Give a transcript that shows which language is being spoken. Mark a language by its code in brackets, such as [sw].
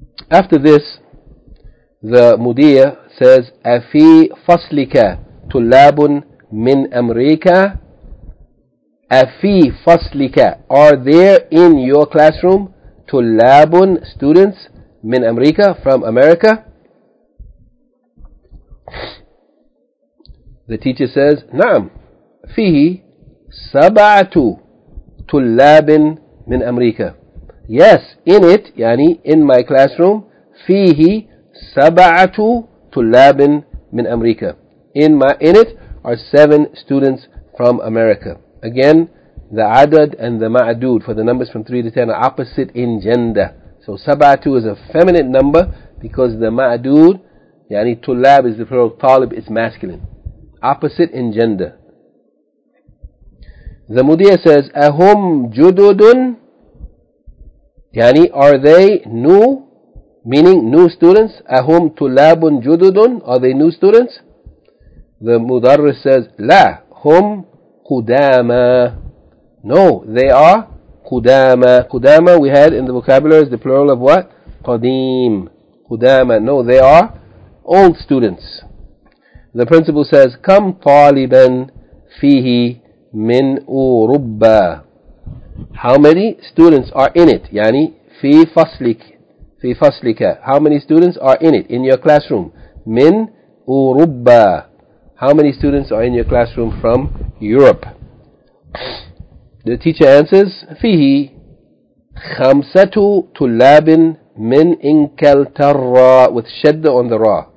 [en] After this, the mudir says, [ar] أَفِي فَصْلِكَ طُلَّابٌ مِنْ أَمْرِيكَ. أَفِي فَصْلِكَ, [en] are there in your classroom طُلَّابٌ, students [ar] مِنْ أَمْرِيكَ, [en] from America? The teacher says, [ar] نَعَمْ فِيهِ سبعة طلاب من أمريكا. [en] Yes, in it, يعني in my classroom, [ar] فيه سبعة طلاب من أمريكا. [en] In it are seven students from America. Again, the عدد and the معدود for the numbers from 3 to 10 are opposite in gender. So سبعة is a feminine number because the معدود, يعني طلاب is the plural, طالب is masculine. Opposite in gender. The mudir says, [ar] أَهُمْ جُدُدٌ, [en] يعني are they new, meaning new students? [ar] أَهُمْ طُلَّابٌ جُدُدٌ, [en] are they new students? The mudarris says, [ar] لَا, هُمْ قُدَامَ. [en] No, they are قُدَامَ. قُدَامَ we had in the vocabulary is the plural of what? [ar] قَدِيم. [en] قُدَامَ, no, they are old students. The principal says, [ar] كَمْ طَالِبًا فِيهِ من أوروبا. [en] How many students are in it? [ar] Yani fi faslika. [en] How many students are in it in your classroom? [ar] Min Urubba. [en] How many students are in your classroom from Europe? The teacher answers, [ar] fihi khamsatu tulabin min Inkaltarra, [en] with shadda on the ra.